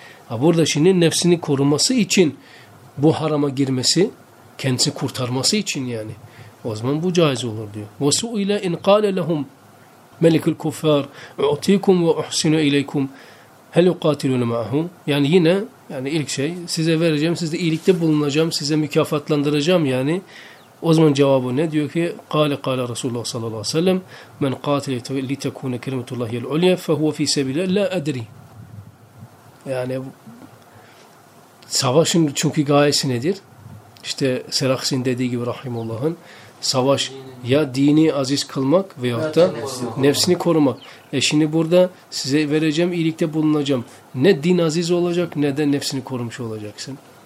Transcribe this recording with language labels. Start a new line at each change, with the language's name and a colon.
Turkish: Ha, burada şimdi nefsini koruması için bu harama girmesi, kendisi kurtarması için yani. O zaman bu caiz olur diyor.
Arabic: وَسُعِلَا اِنْ قَالَ لَهُمْ مَلِكُ الْكُفَّارِ اُعْتِيكُمْ وَاُحْسِنُوا اِلَيْكُمْ هَلْ يُقَاتِلُونَ مَعَهُ.
Turkish: Yani yine yani ilk şey, size vereceğim, size iyilikte bulunacağım, size mükafatlandıracağım yani. O zaman cevabı ne? Diyor ki
Arabic: قَالَ قَالَ رَسُولُ اللّٰهُ صَلَى اللّٰهُ سَلَّمْ مَنْ قَاتِلِ لِتَكُونَ كَرِمَةُ اللّٰهِ الْعُلْيَ فَهُوَ فِي سَبِيلَ لَا اَدْرِ.
Turkish: Yani savaşın çünkü gayesi nedir? İşte Seraks'in dediği gibi Rahimullah'ın, savaş ya dini aziz kılmak veyahut da nefsini korumak. Şimdi burada size vereceğim, iyilikte bulunacağım. Ne din aziz olacak ne de nefsini korumuş olacaksın.